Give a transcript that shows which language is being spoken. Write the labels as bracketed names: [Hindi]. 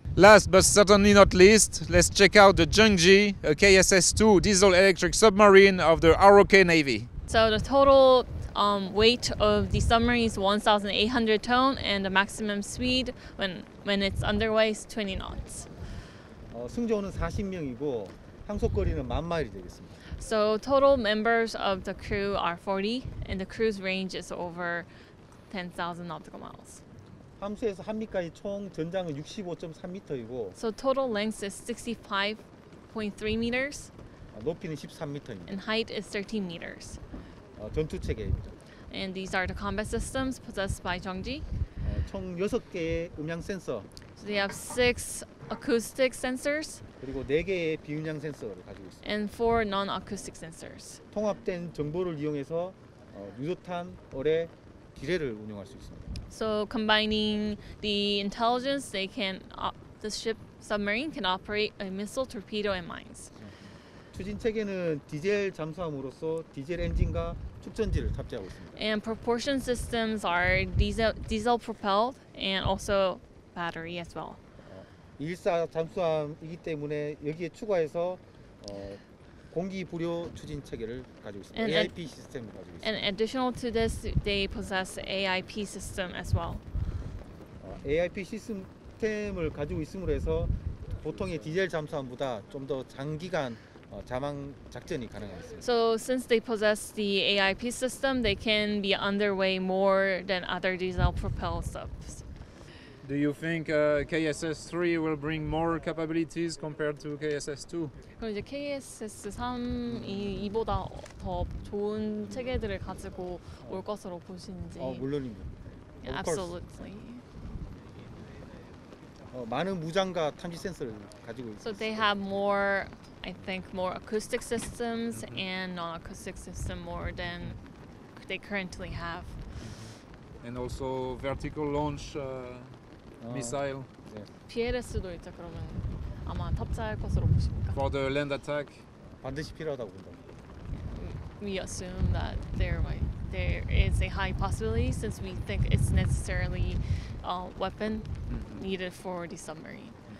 [English] Last but certainly not least, let's check out the Jung, a KSS-II diesel electric submarine of the ROK Navy. So the total weight of the submarine is 1,800 tons, and the maximum speed when it's underway is 20 knots. [Korean] 승조원은 40명이고 항속 거리는 만 마일이 되겠습니다. [English] So total members of the crew are 40, and the cruise range is over 10,000 nautical miles. [Korean] 함수에서 한미까지 총 전장은 65.3m이고. [English] So total length is 65.3 meters. [Korean] 높이는 13m입니다. [English] And height is 13 meters. [Korean] 전투 체계입니다. [English] And these are the combat systems possessed by Jung-ji. [Korean] 총 6개의 음향 센서. [English] So they have 6 acoustic sensors. [Korean] 그리고 4개의 비음향 센서를 가지고 있습니다. [English] And 4 non-acoustic sensors. [Korean] 통합된 정보를 이용해서 유도탄 어뢰 기뢰를 운용할 수 있습니다. [English] So combining the intelligence, they can the ship submarine can operate a missile, torpedo, and mines. [Korean] 추진 체계는 디젤 잠수함으로서 디젤 엔진과 축전지를 탑재하고 있습니다. [English] And propulsion systems are diesel propelled and also battery as well. [Korean] 일사 잠수함이기 때문에 여기에 추가해서 공기 부료 추진 체계를 가지고 있습니다. AIP 시스템 가지고 있습니다. [English] And additional to this, they possess AIP system as well. [Korean] AIP 시스템을 가지고 있음으로 해서 보통의 디젤 잠수함보다 좀 더 장기간 잠항 작전이 가능합니다. [English] So since they possess the AIP system, they can be underway more than other diesel-propelled subs. Do you think KSS-III will bring more capabilities compared to KSS-II? [Korean] 그럼 이제 KSS-3이보다 더 좋은 체계들을 가지고 올 것으로 보시는지? 물론입니다. [English] Absolutely. [Korean] 많은 무장과 탐지 센서를 가지고 있어요. [English] So they have more. I think more acoustic systems and non-acoustic system more than they currently have. And also vertical launch missile. [Korean] 피에레스도 있죠. 그러면 아마 탑재할 것으로 보십니까? [English] For the land attack, [Korean] 반드시 필요하다고 본다. [English] We assume that there is a high possibility since we think it's necessarily a weapon needed for the submarine.